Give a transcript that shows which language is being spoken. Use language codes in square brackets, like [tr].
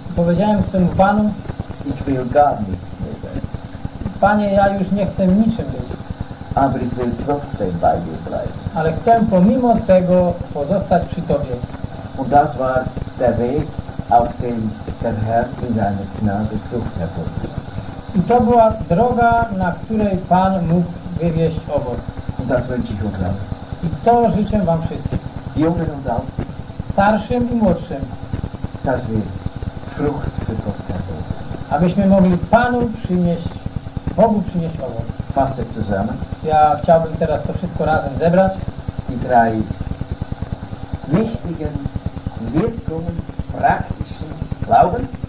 [pl] powiedziałem swemu Panu, [de] ich will gar nicht mehr. [pl] Panie, ja już nie chcę niczym być. [de] Aber ich will trotzdem bei dir bleiben. [pl] Ale chcę pomimo tego pozostać przy Tobie. [de] Und das war der Weg, auf dem der Herr in seiner Gnade Frucht hervorbrachte. [pl] I to była droga, na której Pan mógł wywieźć owoc. [de] Und das wünsche ich uns allen. [pl] I to życzę wam wszystkim. [de] Jungen und alt. [pl] Starszym i młodszym. [de] Dass wir Frucht für Gott haben. [pl] Abyśmy mogli Panu przynieść, Bogu przynieść owoc. [de] Fasse zusammen. [pl] Ja chciałbym teraz to wszystko razem zebrać. [de] Die drei wichtigen Wirkungen praktischen Glauben.